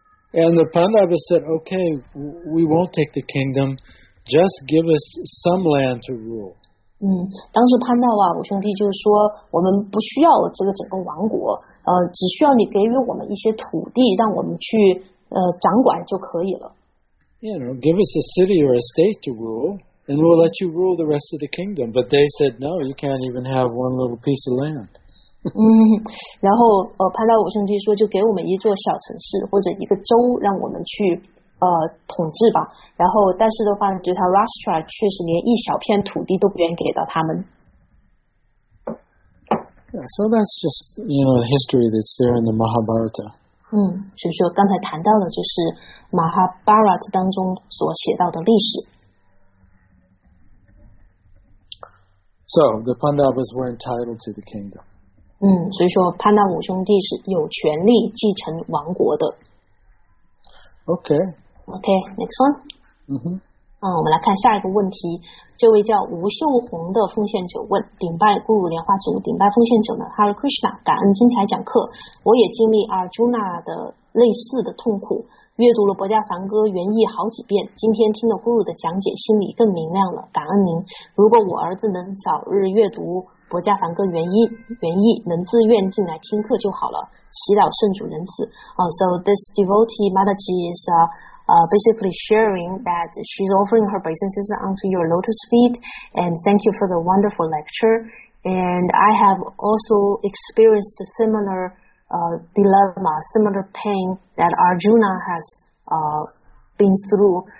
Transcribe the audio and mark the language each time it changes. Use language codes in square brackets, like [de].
[en] And the Pandavas said, okay, we won't take the kingdom, just give us some land to rule. [zh] 当时潘达瓦五兄弟就说，我们不需要这个整个王国，只需要你给予我们一些土地，让我们去掌管就可以了。 [en] You know, give us a city or a state to rule, and we'll let you rule the rest of the kingdom. But they said, no, you can't even have one little piece of land. [zh] 然后潘达瓦五兄弟说，就给我们一座小城市或者一个州，让我们去统治吧。然后但是的话，就他 Rashtra 确实连一小片土地都不愿意给到他们。 [en] So that's just, you know, history that's there in the Mahabharata. [zh] 所以说刚才谈到的就是 Mahabharata 当中所写到的历史。 [en] So the Pandavas were entitled to the kingdom. [zh] 所以说潘达五兄弟是有权利继承王国的。 [en] Okay. Okay, next one. [zh] 我们来看下一个问题。这位叫吴秀红的奉献者问：顶拜古鲁莲花祖，顶拜奉献者呢 ，Hare Krishna， 感恩精彩讲课。我也经历 Arjuna 的类似的痛苦，阅读了《薄伽梵歌》原意好几遍，今天听了古鲁的讲解，心里更明亮了。感恩您，如果我儿子能早日阅读《薄伽梵歌》原意，能自愿进来听课就好了。祈祷圣主仁慈。 [en] So this devotee Mataji is basically sharing that she's offering her obeisances onto your lotus feet, and thank you for the wonderful lecture. And I have also experienced a similar dilemma, similar pain that Arjuna has been through.